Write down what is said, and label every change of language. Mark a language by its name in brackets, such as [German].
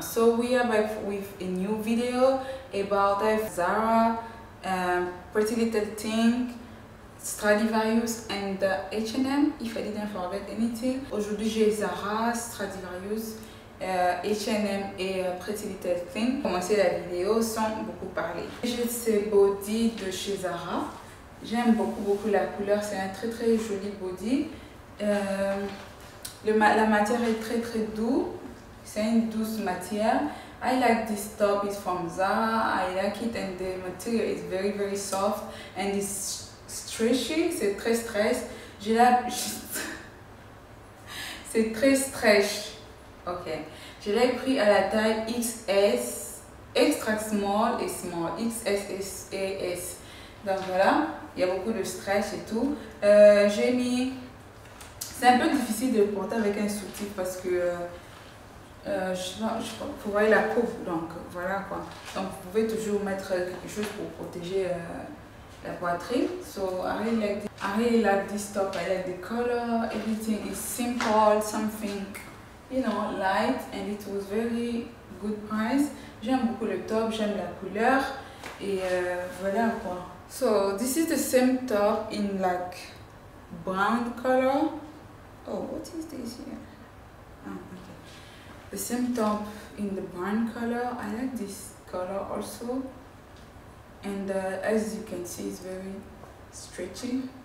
[English] So we are back with a new video about Zara, Pretty Little Thing, Stradivarius and H&M, if I didn't forget anything. [French] Aujourd'hui j'ai Zara, Stradivarius, H&M et Pretty Little Thing. Commencer la vidéo sans beaucoup parler. J'ai ce body de chez Zara. J'aime beaucoup la couleur, c'est un très très joli body. La matière est très très douce, c'est une douce matière. [English] I like this top, it's from Zara, I like it and the material is very very soft and it's stretchy, [French] c'est très stretch. C'est très stretch, ok. Je l'ai pris à la taille XS, extra small et small, XS et S. Donc voilà, il y a beaucoup de stretch et tout. J'ai mis... C'est un peu difficile de porter avec un sous-type parce que vous voyez la peau, donc voilà quoi. Donc vous pouvez toujours mettre quelque chose pour protéger la poitrine. [English] So I really like this top, I like the color, everything is simple, something, you know, light and it was very good price. [French] J'aime beaucoup le top, j'aime la couleur et voilà quoi. [English] So this is the same top in like brown color. Oh, what is this here? Oh, okay. The same top in the brown color. I like this color also. And as you can see, it's very stretchy.